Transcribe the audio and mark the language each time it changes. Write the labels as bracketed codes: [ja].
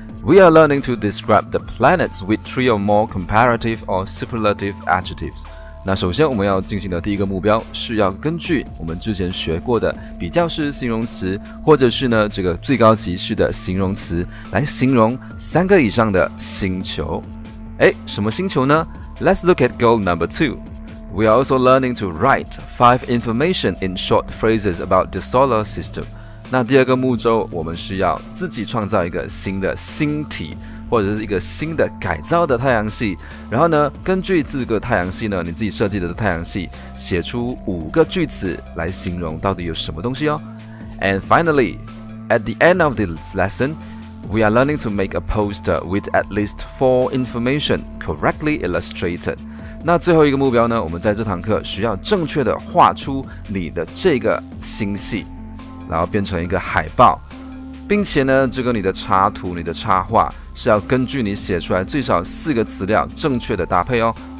[en] We are learning to describe the planets with three or more comparative or superlative adjectives. [zh] 那首先我们要进行的第一个目标是要根据我们之前学过的比较式形容词或者是呢这个最高级式的形容词来形容三个以上的星球。诶，什么星球呢？ [en] Let's look at goal number two. We are also learning to write 5 information in short phrases about the solar system. [zh] 那第二个目标我们是要自己创造一个新的星体或者是一个新的改造的太阳系。然后呢根据这个太阳系呢你自己设计的太阳系写出五个句子来形容到底有什么东西哦。 [en] And finally, at the end of this lesson,We are learning to make a poster with at least 4 information correctly illustrated. [zh] 那最后一个目标呢，我们在这堂课需要正确的画出你的这个星系，然后变成一个海报，并且呢，这个你的插图、你的插画是要根据你写出来最少四个资料正确的搭配哦。